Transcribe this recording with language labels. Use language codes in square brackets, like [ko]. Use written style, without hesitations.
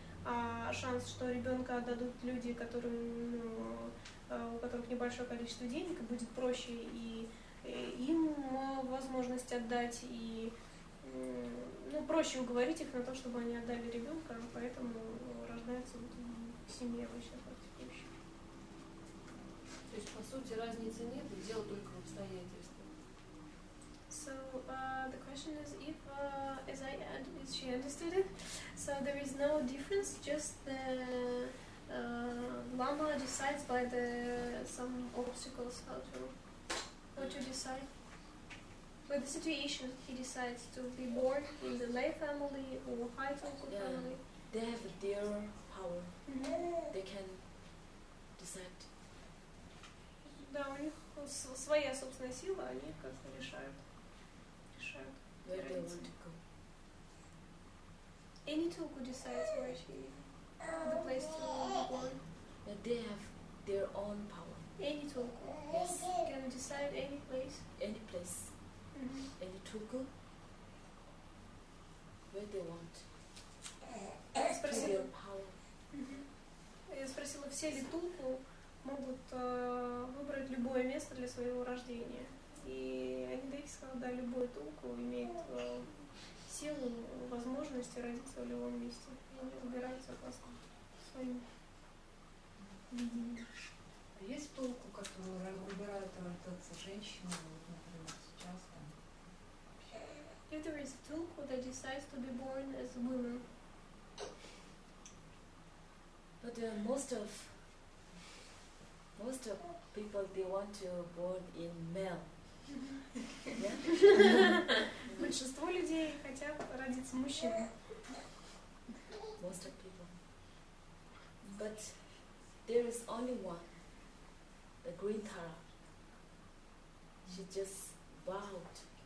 [ru] А шанс, что ребенка отдадут люди, которым, ну, у которых небольшое количество денег, будет проще и им возможность отдать, и ну, проще уговорить их на то, чтобы они отдали ребенка, поэтому рождается вот в семье обычно практикующих. То есть, по сути, разницы нет, и дело только в обстоятельствах. [en] So, the question is, if, as I had, is she understood it? So there is no difference, just the Lama decides by the some obstacles how to decide. But the situation, he decides to be born in the lay family or high tonku family. They have their power. Mm-hmm. They can decide. [ru] Да, у них своя собственная сила, они как-то решают. Решают. [en] Where they want to go. Any tonku decides where she the place to be born. But they have their own power. Any tonku, yes, can decide any place. Any place. Mm-hmm. Any tulku, where they want. [ru] Спросила, [en] to power. Mm-hmm. [ru] Я спросила, все ли тулку могут выбрать любое место для своего рождения. И Анидейки сказала, да, любой тулку имеет силу, возможности родиться в любом месте. Они выбираются классно своим видением. А есть тулку, которую выбирают рождаться женщиной, вот, например, сейчас? [en] If there is a tulku that decides to be born as a woman. But most of people, they want to be born in male. [ru] Большинство людей хотят родиться мужчиной. [en] Most of people. But there is only one, the green Tara. She just bowed.